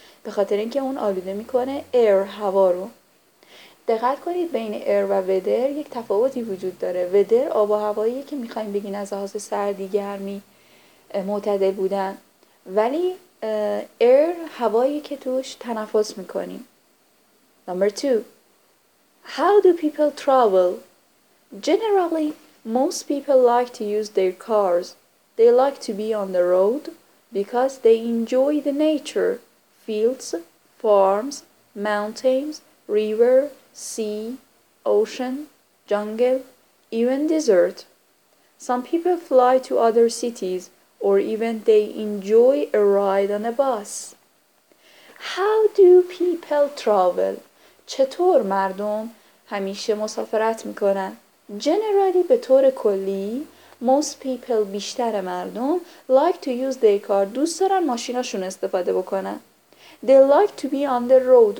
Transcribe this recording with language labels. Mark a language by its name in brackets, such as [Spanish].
[Persian] به خاطر اینکه اون آلوده میکنه air هوا رو. دقت کنید بین air و weather یک تفاوتی وجود داره. weather آب و هواییه که میخواییم بگین از لحاظ سردی گرمی معتدل بودن. ولی air هواییه که توش تنفس میکنیم. [English] Number two. How do people travel? Generally, most people like to use their cars. They like to be on the road because they enjoy the nature. Fields, farms, mountains, river, sea, ocean, jungle, even desert. Some people fly to other cities or even they enjoy a ride on a bus. How do people travel? [Persian] چطور مردم همیشه مسافرت میکنن؟ [English] Generally [Persian] به طور کلی [English] most people [Persian] بیشتر مردم [English] like to use their car [Persian] دوست دارن ماشیناشون استفاده بکنن. [English] They like to be on the road.